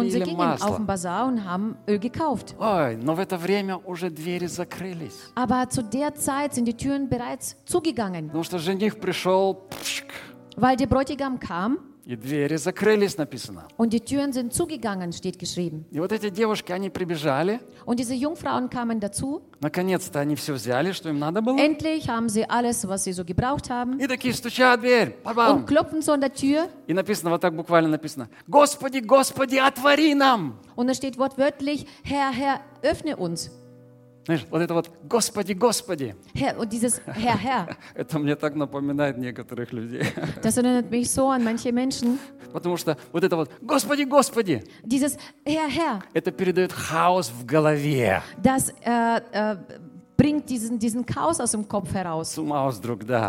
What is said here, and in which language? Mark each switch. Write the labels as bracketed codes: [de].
[de] Und sie gingen auf den Bazar und haben Öl gekauft. [ru] Ой, но в это время уже двери закрылись. [de] Aber zu der Zeit sind die Türen bereits zugegangen. [ru] Потому что жених пришел. [de] Weil der Bräutigam kam. [ru] И двери закрылись, написано. [de] Und die Türen sind zugegangen, steht geschrieben. [ru] И вот эти девушки, они прибежали. [de] Und diese Jungfrauen kamen dazu. [ru] Наконец-то они все взяли, что им надо было. [de] Endlich haben sie alles, was sie so gebraucht haben. [ru] И такие стучат в дверь. Ба-бам. [de] Und klopfen so an der Tür. [ru] И написано, вот так буквально написано. Господи, Господи, отвори нам. [de] Und es steht wortwörtlich, Herr, Herr, öffne uns. [ru] Знаешь, вот это вот, Господи, Господи. [de] Herr, [ru] вот [de] dieses Herr, Herr. [ru] Это мне так напоминает некоторых людей. [de] Das erinnert mich so an manche Menschen. [ru] Потому что вот это вот, Господи, Господи. [de] Dieses Herr, Herr. [ru] Это передает хаос в голове. [de] Das bringt diesen Chaos aus dem Kopf heraus. Zum Ausdruck, да.